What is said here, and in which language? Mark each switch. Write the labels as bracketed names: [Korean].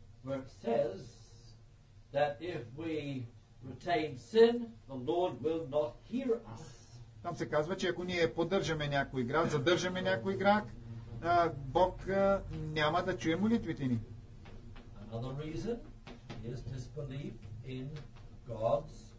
[English] Where it says that if we retain sin, the Lord will not hear us. [Bulgarian] Там се казва, че ако ние поддържаме някой грях, задържаме някой грях, Бог няма да чуе молитвите ни. [English] Another reason is disbelief in God's